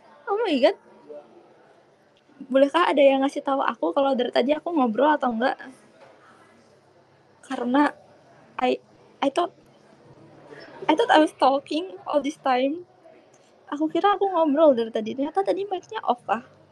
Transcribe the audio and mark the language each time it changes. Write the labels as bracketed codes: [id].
[en] Oh my god, [id] bolehkah ada yang ngasih tahu aku kalau dari tadi aku ngobrol atau enggak? Karena [en] I thought I was talking all this time. [id] Aku kira aku ngobrol dari tadi, ternyata tadi mic-nya off kah?